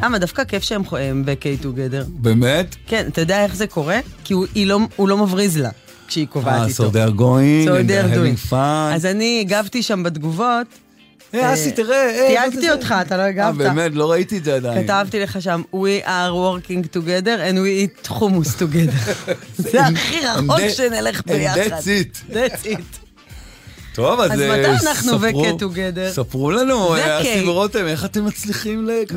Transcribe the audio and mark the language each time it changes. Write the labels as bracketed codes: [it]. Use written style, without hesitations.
[he] אמא, דווקא כיף שהם חוהם [en] vacay together. [he] באמת? כן, אתה יודע איך זה קורה? כי הוא לא מבריז לה. כשהיא קובעת איתו. [en] So they are going and they are having fun. [he] אז אני הגבתי שם בתגובות. אסי, תראה. תיאגתי אותך, אתה לא הגבת. באמת, לא ראיתי את זה עדיין. כתבתי לך שם, [en] we are working together and we eat hummus together. [he] זה הכי רחוק שנלך ביחד. [en] That's it. That's it. [he] טוב, אז ספרו, [en] together. [he] ספרו לנו, אסי ורותם, איך אתם מצליחים לקחת?